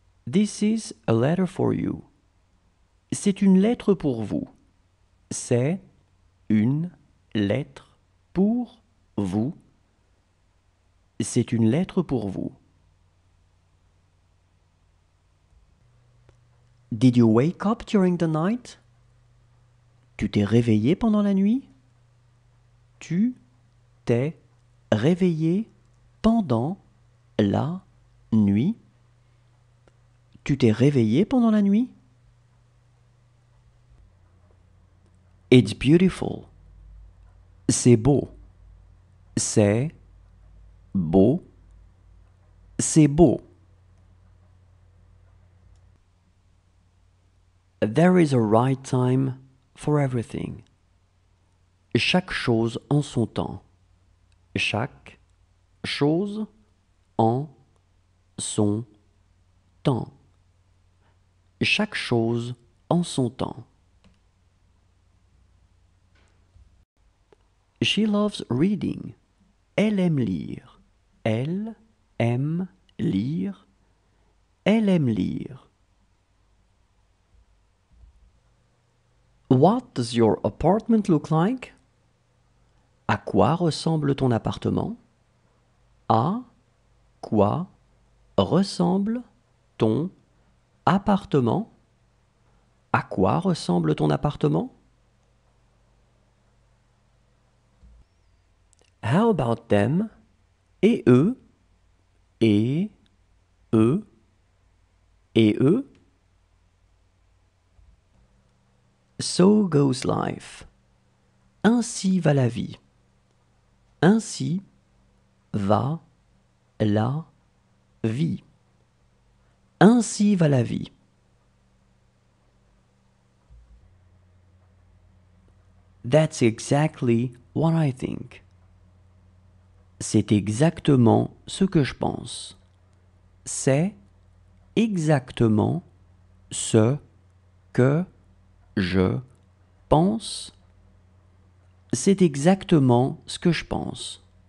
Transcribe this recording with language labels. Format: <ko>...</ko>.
<en>This is a letter for you.</en> <fr>C'est une lettre pour vous. C'est une lettre pour vous. C'est une lettre pour vous.</fr> <en>Did you wake up during the night?</en> <fr>Tu t'es réveillé pendant la nuit? Tu t'es réveillé pendant la nuit? Tu t'es réveillé pendant la nuit?</fr> <en>It's beautiful.</en> <fr>C'est beau. C'est beau. C'est beau.</fr> <en>There is a right time for everything.</en> <fr>Chaque chose en son temps. Chaque chose en son temps. Chaque chose en son temps.</fr> <en>She loves reading.</en> <fr>Elle aime lire. Elle aime lire. Elle aime lire.</fr> <en>What does your apartment look like?</en> <fr>À quoi ressemble ton appartement? À quoi ressemble ton appartement? À quoi ressemble ton appartement?</fr> <en>How about them?</en> <fr>Et eux? Et eux? Et eux?</fr> <en>So goes life.</en> <fr>Ainsi va la vie. Ainsi va la vie. Ainsi va la vie.</fr> <en>That's exactly what I think.</en> <fr>C'est exactement ce que je pense. C'est exactement ce que je pense. C'est exactement ce que je pense.</fr>